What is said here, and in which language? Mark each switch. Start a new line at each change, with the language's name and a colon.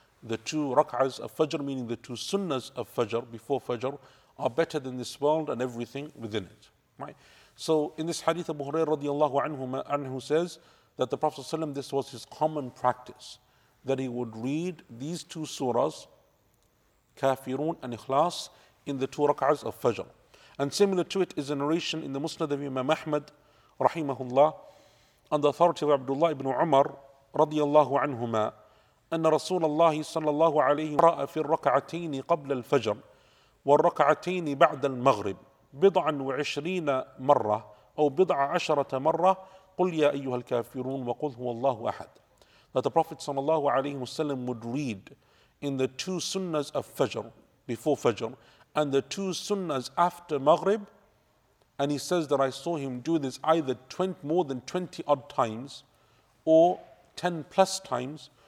English: The two Raq'as of Fajr, meaning the two sunnahs of Fajr, before Fajr, are better than this world and everything within it. Right? So in this hadith, Abu Hurairah radiallahu anhu says that the Prophet ﷺ, this was his common practice, that he would read these two surahs, Kafirun and Ikhlas, in the two Raq'as of Fajr. And similar to it is a narration in the Musnad of Imam Ahmad, rahimahullah, on the authority of Abdullah ibn Umar, radiallahu anhuma,
Arabic: أن رسول الله صلى الله عليه وسلم قرأ في الركعتين قبل الفجر والركعتين بعد المغرب بضعا وعشرين مرة أو بضع عشرة مرة قل يا أيها الكافرون وقل هو الله أحد.
English: That the Prophet صلى الله عليه وسلم would read in the two sunnahs of Fajr, before Fajr, and the two sunnahs after Maghrib, and he says that I saw him do this either 20, more than 20 odd times or 10 plus times.